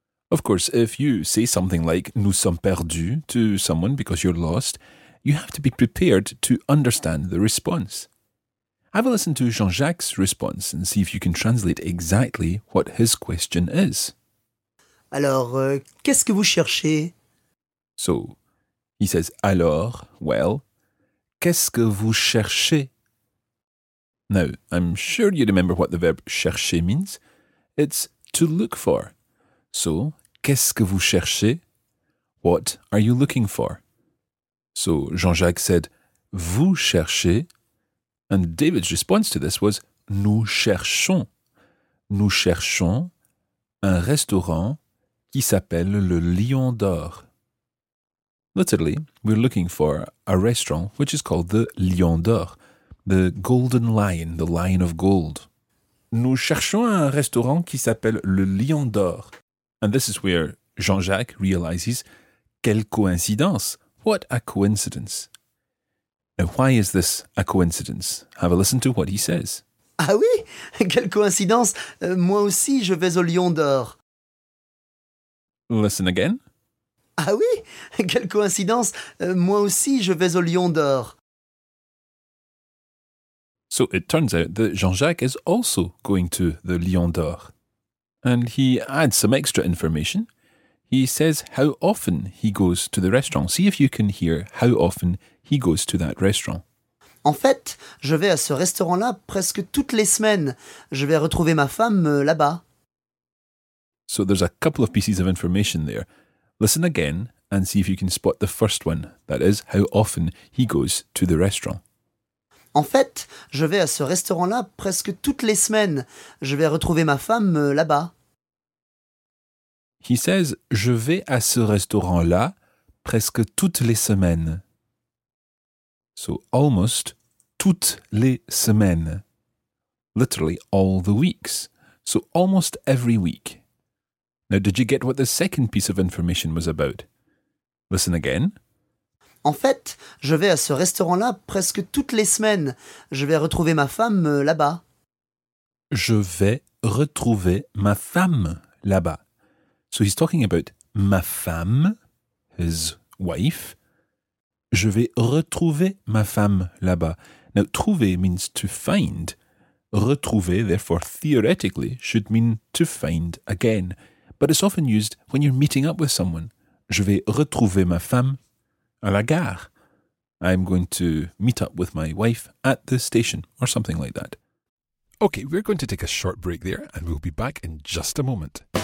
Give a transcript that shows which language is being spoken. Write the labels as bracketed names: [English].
[English] Of course, if you say something like [French] nous sommes perdus [English] to someone because you're lost, you have to be prepared to understand the response. Have a listen to Jean-Jacques' response and see if you can translate exactly what his question is. [French] Alors, qu'est-ce que vous cherchez? [English] So, he says, [French] alors, [English] well, [French] qu'est-ce que vous cherchez? [English] Now, I'm sure you remember what the verb chercher means. It's to look for. So, [French] qu'est-ce que vous cherchez? [English] What are you looking for? So, Jean-Jacques said, [French] vous cherchez. [English] And David's response to this was, [French] nous cherchons. Nous cherchons un restaurant qui s'appelle le Lion d'Or. [English] Literally, we're looking for a restaurant which is called the Lion d'Or, the Golden Lion, the Lion of Gold. [French] Nous cherchons un restaurant qui s'appelle le Lion d'Or. [English] And this is where Jean-Jacques realizes, [French] quelle coïncidence! [English] What a coincidence! Now, why is this a coincidence? Have a listen to what he says. [French] Ah oui! Quelle coïncidence! Moi aussi, je vais au Lion d'Or. [English] Listen again. [French] Ah oui, quelle coïncidence, moi aussi je vais au Lion d'Or. [English] So it turns out that Jean-Jacques is also going to the Lion d'Or. And he adds some extra information. He says how often he goes to the restaurant. See if you can hear how often he goes to that restaurant. [French] En fait, je vais à ce restaurant-là presque toutes les semaines. Je vais retrouver ma femme là-bas. [English] So there's a couple of pieces of information there. Listen again and see if you can spot the first one. That is, how often he goes to the restaurant. [French] En fait, je vais à ce restaurant-là presque toutes les semaines. Je vais retrouver ma femme là-bas. [English] He says, [French] je vais à ce restaurant-là presque toutes les semaines. [English] So, almost [French] toutes les semaines. [English] Literally, all the weeks. So, almost every week. Now, did you get what the second piece of information was about? Listen again. [French] En fait, je vais à ce restaurant-là presque toutes les semaines. Je vais retrouver ma femme là-bas. Je vais retrouver ma femme là-bas. [English] So he's talking about [French] ma femme, [English] his wife. [French] Je vais retrouver ma femme là-bas. [English] Now, trouver means to find. Retrouver, therefore, theoretically, should mean to find again. But it's often used when you're meeting up with someone. [French] Je vais retrouver ma femme à la gare. [English] I'm going to meet up with my wife at the station, or something like that. Okay, we're going to take a short break there, and we'll be back in just a moment.